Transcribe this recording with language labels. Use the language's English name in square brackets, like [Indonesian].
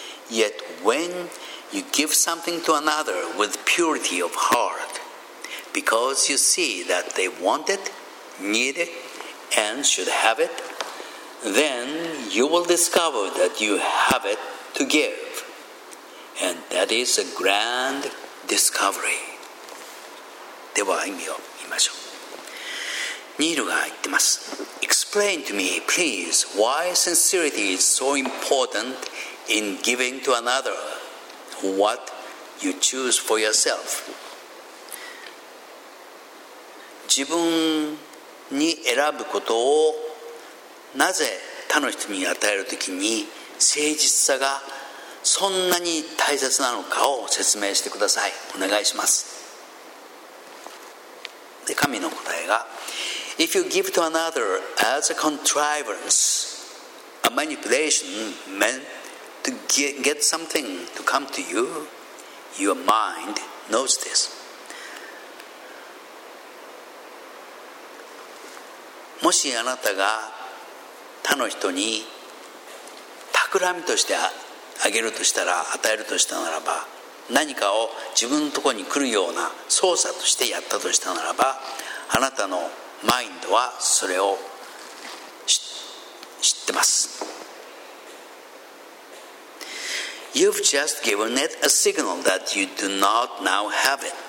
[English] Yet when you give something to another with purity of heart, because you see that they want it, need it, and should have it, then you will discover that you have it to give. And that is a grand discovery. [Japanese] では意味を言いましょう。ニールが言ってます。 [English] Explain to me, please, why sincerity is so important in giving to another what you choose for yourself. [Japanese] 自分に選ぶことをなぜ他の人に与えるときに誠実さがそんなに大切なのかを説明してください。お願いします。で、神の答えが、 [English] If you give to another as a contrivance, a manipulation meant to get something to come to you, your mind knows this. [Japanese] もしあなたが他の人に企みとしてあげるとしたら、与えるとしたならば、何かを自分のところに来るような操作としてやったとしたならば、あなたのマインドはそれを知ってます。 [English] You've just given it a signal that you do not now have it.